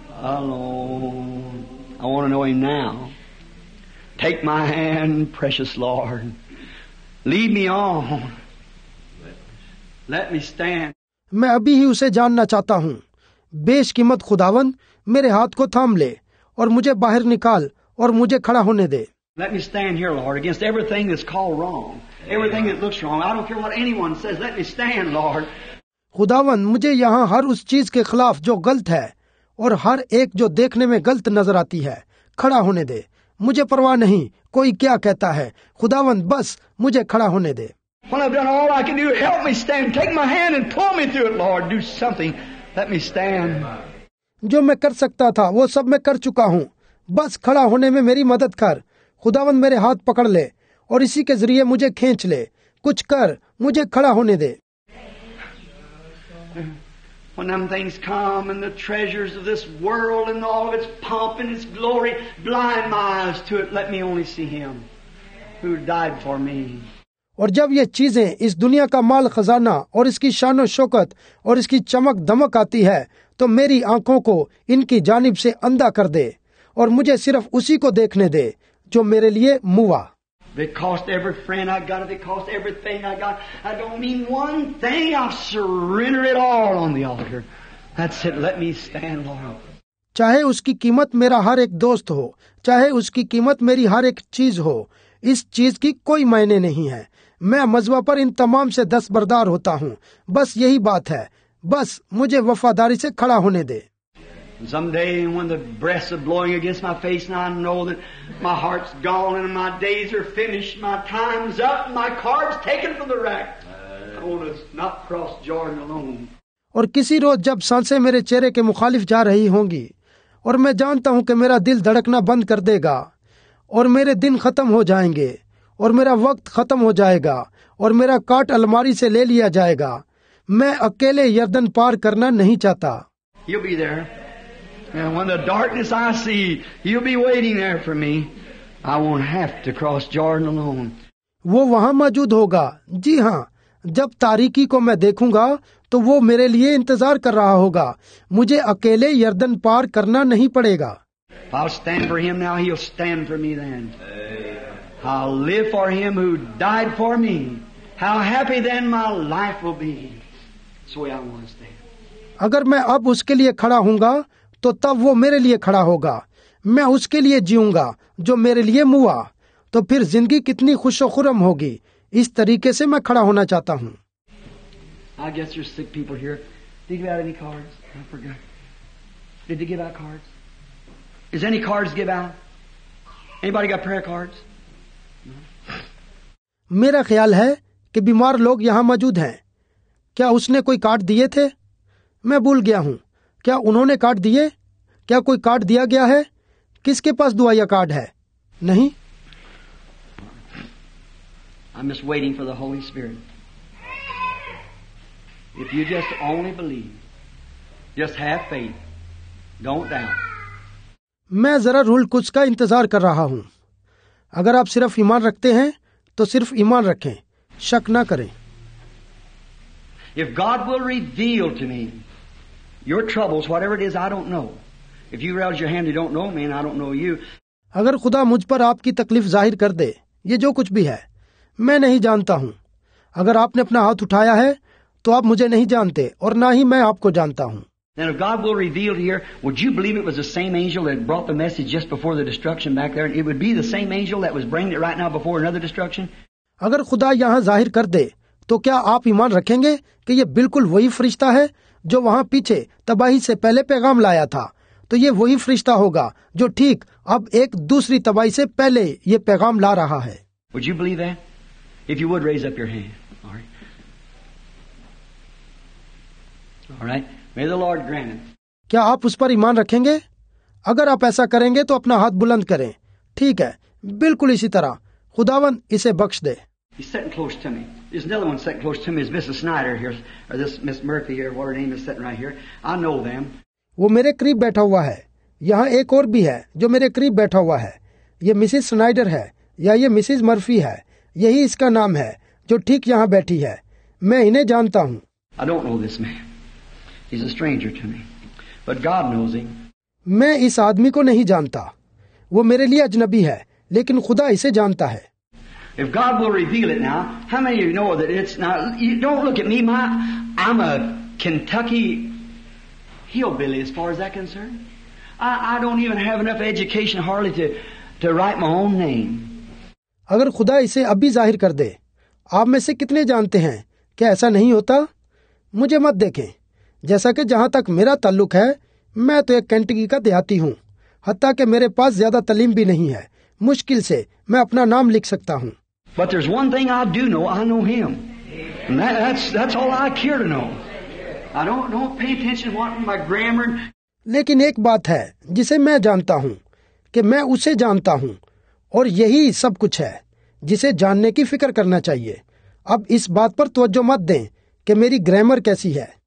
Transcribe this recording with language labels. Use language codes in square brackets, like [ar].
[en] Alone. I want to know Him now. Take my hand, precious Lord. Lead me on. Let me stand. [hi] मैं अभी ही उसे जानना चाहता हूँ। बेशकीमत खुदावन, मेरे हाथ को थाम ले और मुझे बाहर निकाल और मुझे खड़ा होने दे। [en] Let me stand here, Lord, against everything that's called wrong, everything that looks wrong. I don't care what anyone says. Let me stand, Lord. [hi] खुदावन, मुझे यहाँ हर उस चीज के खिलाफ जो गलत है और हर एक जो देखने में गलत नजर आती है, खड़ा होने दे। मुझे परवाह नहीं कोई क्या कहता है, खुदावन बस मुझे खड़ा होने दे। [en] When I've done all I can do, help me stand. Take my hand and pull me through it, Lord. Do something. Let me stand. [hi] जो मैं कर सकता था वो सब मैं कर चुका हूँ, बस खड़ा होने में मेरी मदद कर। खुदावन मेरे हाथ पकड़ ले और इसी के जरिए मुझे खींच ले, कुछ कर, मुझे खड़ा होने दे। [en] When them things come and the treasures of this world and all of its pomp and its glory blind my eyes to it, let me only see Him who died for me. [hi] और जब ये चीजें, इस दुनिया का माल खजाना और इसकी शानो शौकत और इसकी चमक दमक आती है, तो मेरी आंखों को इनकी जानिब से अंधा कर दे और मुझे सिर्फ उसी को देखने दे जो मेरे लिए मुआ। [en] They cost every friend I got, they cost everything I got. I don't mean one thing, I surrender it all on the altar. That's it, let me stand, Lord. [hi] चाहे उसकी कीमत मेरा हर एक दोस्त हो, चाहे उसकी कीमत मेरी हर एक चीज हो, इस चीज की कोई मायने नहीं है। मैं मजबा पर इन तमाम से दस बरदार होता हूँ, बस यही बात है, बस मुझे वफादारी से खड़ा होने दे। [en] Someday when the breath is blowing against my face and I know that my heart's gone and my days are finished, my time's up, my card's taken from the rack. I want to not cross Jordan alone. [hi] और किसी रोज जब सांसें मेरे चेहरे के मुखालिफ जा रही होंगी और मैं जानता हूँ कि मेरा दिल धड़कना बंद कर देगा और मेरे दिन खत्म हो जाएंगे और मेरा वक्त खत्म हो जाएगा और मेरा काट अलमारी से ले लिया जाएगा, मैं अकेले यर्दन पार करना नहीं चाहता। [en] You'll be there. And when the darkness I see, you'll be waiting there for me. I won't have to cross Jordan alone. [hi] वो वहाँ मौजूद होगा, जी हाँ, जब तारीकी को मैं देखूंगा तो वो मेरे लिए इंतजार कर रहा होगा, मुझे अकेले यर्दन पार करना नहीं पड़ेगा। [en] I'll stand for him now, he'll stand for me then. I'll live for him who died for me. How happy then my life will be. That's the way I want to stand. [hi] अगर मैं अब उसके लिए खड़ा होऊंगा तो तब वो मेरे लिए खड़ा होगा, मैं उसके लिए जीऊंगा जो मेरे लिए मुआ, तो फिर जिंदगी कितनी खुशोखुरम होगी। इस तरीके से मैं खड़ा होना चाहता हूँ। [en] I guess you're sick people here. Did you give out any cards? I forgot. Did you give out cards? Is any cards give out? Anybody got prayer cards? [hi] मेरा ख्याल है कि बीमार लोग यहाँ मौजूद हैं। क्या उसने कोई कार्ड दिए थे? मैं भूल गया हूँ, क्या उन्होंने कार्ड दिए? क्या कोई कार्ड दिया गया है? किसके पास दुआ या कार्ड है? नहीं। [en] I'm just waiting for the Holy Spirit. If you just only believe, just have faith, don't doubt. [hi] मैं जरा रूल कुछ का इंतजार कर रहा हूँ। अगर आप सिर्फ ईमान रखते हैं तो सिर्फ ईमान रखें, शक ना करें। [en] If God will reveal to me your troubles, whatever it is, I don't know. If you raise your hand, you don't know me, and I don't know you. [hi] अगर खुदा मुझ पर आपकी तकलीफ जाहिर कर दे, ये जो कुछ भी है, मैं नहीं जानता हूँ। अगर आपने अपना हाथ उठाया है, तो आप मुझे नहीं जानते, और ना ही मैं आपको जानता हूँ। [en] Then if God will reveal here, would you believe it was the same angel that brought the message just before the destruction back there? And it would be the same angel that was bringing it right now before another destruction? [hi] अगर खुदा यहाँ जाहिर कर दे, तो क्या आप ईमान रखेंगे कि ये बिल्कुल वही फरिश्ता है जो वहाँ पीछे तबाही से पहले पैगाम लाया था? तो ये वही फरिश्ता होगा जो ठीक अब एक दूसरी तबाही से पहले ये पैगाम ला रहा है। [en] Would you believe that? If you would, raise up your hand. All right. May the Lord grant it. [hi] क्या आप उस पर ईमान रखेंगे? अगर आप ऐसा करेंगे तो अपना हाथ बुलंद करें। ठीक है, बिल्कुल इसी तरह, खुदावन इसे बख्श दे। [en] He's sitting close to me. There's another one sitting close to me. Is Mrs. Snyder here, or this Miss Murphy here? What her name is sitting right here. I know them. [hi] वो मेरे करीब बैठा हुआ है। यहाँ एक और भी है जो मेरे करीब बैठा हुआ है। ये मिसेस स्नाइडर है या ये मिसेस मर्फी है, यही इसका नाम है जो ठीक यहाँ बैठी है, मैं इन्हें जानता हूँ। [en] I don't know this man. He's a stranger to me. But God knows him. [hi] मैं इस आदमी को नहीं जानता, वो मेरे लिए अजनबी है, लेकिन खुदा इसे जानता है। [en] If God will reveal it now, how many of you know that it's not? You don't look at me, I'm a Kentucky hillbilly as far as that concerned. I don't even have enough education hardly to write my own name. [hi] अगर खुदा इसे अभी जाहिर कर दे, आप में से कितने जानते हैं क्या ऐसा नहीं होता? मुझे मत देखें, जैसा कि जहां तक मेरा ताल्लुक है, मैं तो एक केंटकी का देहाती हूं, हत्ता कि मेरे पास ज्यादा तालीम भी नहीं है, मुश्किल से मैं अपना नाम लिख सकता हूं। [en] But there's one thing I do know, I know him. And that's all I care to know. I don't pay attention to what my grammar. [hi] लेकिन एक बात है जिसे मैं जानता हूं कि मैं उसे जानता हूं, और यही सब कुछ है जिसे जानने की फिक्र करना चाहिए। अब इस बात पर तवज्जो मत दें कि मेरी ग्रामर कैसी है।